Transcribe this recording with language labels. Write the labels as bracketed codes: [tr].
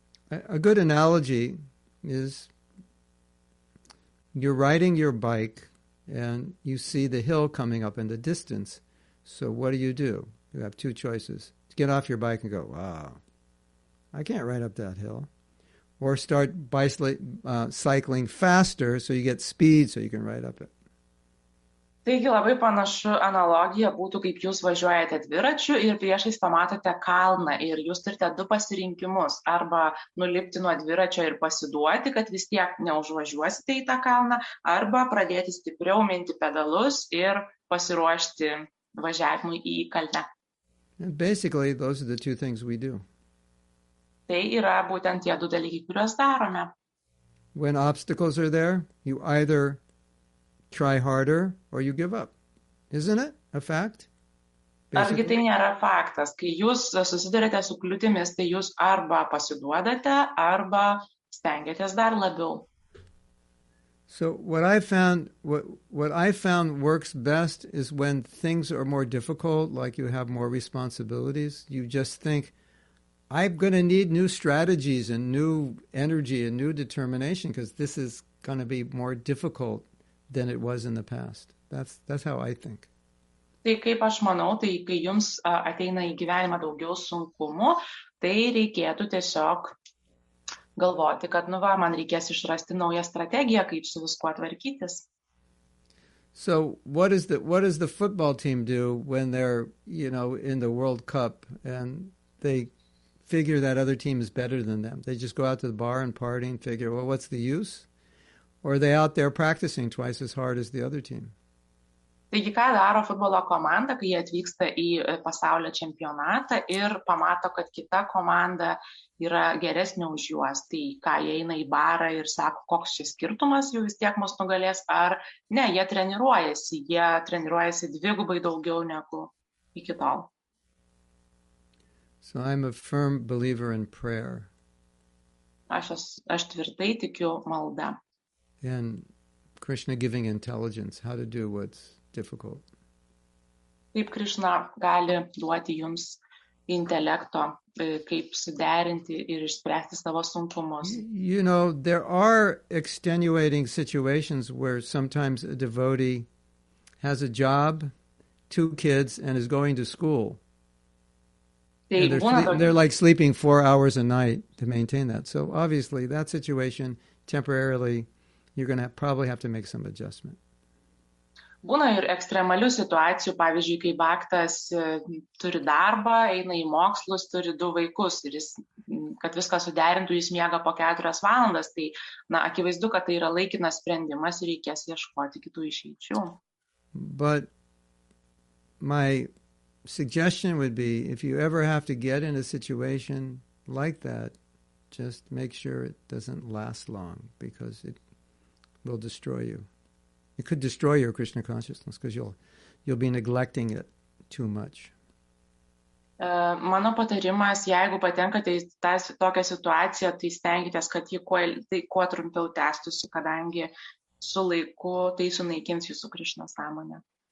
[en] A good analogy is you're riding your bike and you see the hill coming up in the distance. So what do? You have two choices. Get off your bike and go, wow, I can't ride up that hill. Or start cycling faster so you get speed so you can ride up it. [lt] Taigi labai panašu analogija būtų, kaip jūs važiuojate dviračiu ir priešais pamatote kalną ir jūs turite du pasirinkimus. Arba nulipti nuo dviračio ir pasiduoti, kad vis tiek neužvažiuosite į tą kalną, arba pradėti stipriau minti pedalus ir pasiruošti važiavimui į kalnę. [en] And basically, those are the two things we do. [lt] Tai yra būtent tie du dalykai, kuriuos darome. [en] When obstacles are there, you either try harder or you give up. Isn't it a fact? Basically. [lt] Argi tai nėra faktas. Kai jūs susidurite su kliūtimis, tai jūs arba pasiduodate, arba stengiatės dar labiau. [en] So what I found works best is when things are more difficult, like you have more responsibilities, you just think, I'm going to need new strategies and new energy and new determination because this is going to be more difficult than it was in the past. That's how I think. [lt] Tai kaip aš manau, tai kai jums ateina į gyvenimą daugiau sunkumų, tai reikėtų tiesiog galvoti, kad nu va, man reikės išrasti naują strategiją, kaip su viskuo tvarkytis. [en] So what does the football team do when they're, you know, in the World Cup and they figure that other team is better than them? They just go out to the bar and party and figure, well, what's the use? Or are they out there practicing twice as hard as the other team? [lt] Taigi, ką daro futbolo komanda, kai jie atvyksta į pasaulio čempionatą ir pamato, kad kita komanda yra geresnė už juos, tai ką jie eina į barą ir sako, koks šis skirtumas jų vis tiek mus nugalės, ar ne, jie treniruojasi dvigubai daugiau negu iki tol. [en] So I'm a firm believer in prayer. [lt] Aš tvirtai tikiu malda. [en] And Krishna giving intelligence, how to do what's difficult. [lt] Kaip Krishna gali duoti jums intelekto, kaip suderinti ir išspręsti savo sunkumus. [en] You know, there are extenuating situations where sometimes a devotee has a job, two kids, and is going to school. [lt] Tai [en] and they're like sleeping 4 hours a night to maintain that. So obviously, that situation, temporarily, you're going to probably have to make some adjustment. [lt] Būna ir ekstremalių situacijų, pavyzdžiui, kai baktas turi darbą, eina į mokslus, turi du vaikus ir jis, kad viską suderintų, jis miega po 4 valandas, tai na, akivaizdu, kad tai yra laikinas sprendimas ir reikės ieškoti kitų išeičių. [en] But my suggestion would be, if you ever have to get in a situation like that, just make sure it doesn't last long because it will destroy you. It could destroy your Krishna consciousness because you'll be neglecting it too much. [lt] Mano patarimas, jeigu patenkate į tokią situaciją, tai stengitės, kad ji kuo trumpiau tęstųsi, kadangi su laiku tai sunaikins jūsų Krishna sąmonę.